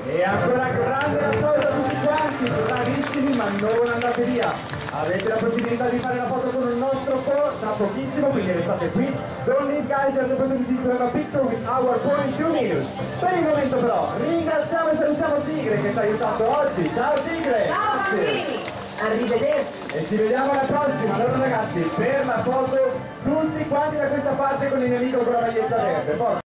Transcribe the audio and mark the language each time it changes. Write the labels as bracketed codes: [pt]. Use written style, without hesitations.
[it] E ancora grande la foto a tutti quanti, bravissimi, ma non andate via! Avete la possibilità di fare la foto con il nostro Po tra pochissimo, quindi restate qui. [en] Don't leave guys, and the possibility to have a picture with our Po in 2 minutes. [it] Per il momento però, ringraziamo e salutiamo Tigre che ci ha aiutato oggi. Ciao Tigre! Ciao bambini! Arrivederci! E ci vediamo alla prossima, allora ragazzi, per la foto tutti quanti da questa parte con il nemico con la maglietta verde.